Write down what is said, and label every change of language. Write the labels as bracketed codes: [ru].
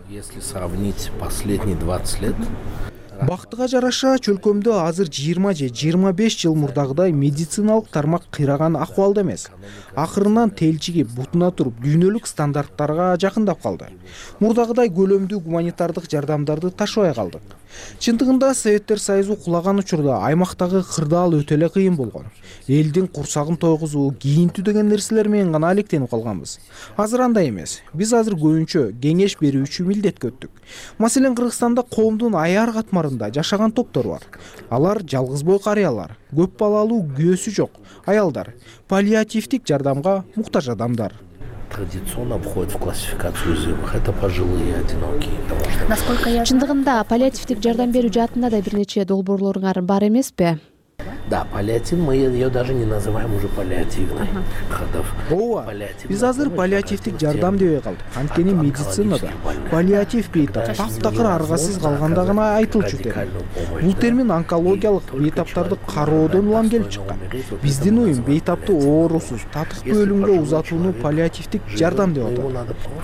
[ru] Если сравнить последние 20 лет, [ky] бактыга жараша чөлкөмдө азыр 20 же 25 жыл мурдагыдай медициналык тармак кыйраган акыбалда эмес. Акырынан телчиги бутуна туруп, дүйнөлүк стандарттарга жакындап калды. Мурдагыдай көлөмдүү гуманитардык жардамдарды ташыбай калдык. Чындыгында Советтер Союзу кулаган учурда аймактагы кырдаал өтө эле кыйын болгон. Элдин курсагын тойгузуу, кийинтүү деген нерселер менен гана алектенип калганбыз. Азыр андай эмес. Биз азыр көбүнчө кеңеш берүүчү милдет көттүк. Маселен, Кыргызстанда коомдун аяр катмарында жашаган топтор бар. Алар жалгыз бой карыялар, көп балалуу күйөөсү жок аялдар, паллиативдик жардамга муктаж адамдар. [ru] Традиционно входит в классификацию уязвимых. Это пожилые, одинокие. Насколько я... [ky] Чындыгында паллиативдик жардам берүү жаатында да бир нече долбоорлор бар эмеспи? [ru] Да, паллиатив, мы ее даже не называем уже паллиативной. [ky] Ооба, биз азыр паллиативдик жардам дебей калдык. Анткени медицинада паллиатив бейтап таптакыр аргасыз калганда гана айтылчу термин. Бул термин онкологиялык бейтаптарды кароодон улам келип чыккан. Биздин уюм бейтапты оорусуз татыктуу өлүмгө узатууну паллиативдик жардам деп атат.